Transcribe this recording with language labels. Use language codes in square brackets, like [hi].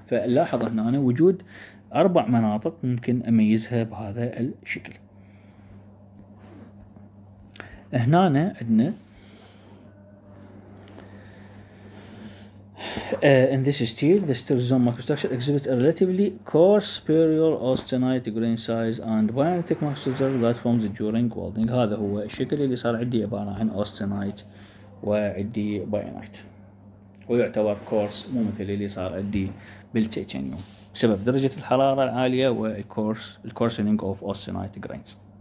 [ar] فلاحظ هنا وجود اربع مناطق ممكن اميزها بهذا الشكل. [en] هنا عندنا in this steel the stir zone microstructure exhibits a relatively coarse superior austenite grain size and bionic microstructure that forms during welding. [ar] هذا هو الشكل اللي صار عندي عبارة عن austenite وعندي bionite، ويعتبر coarse مو مثل اللي صار عندي بالتيتانيوم بسبب درجة الحرارة العالية وال coarse coarsening of austenite grains.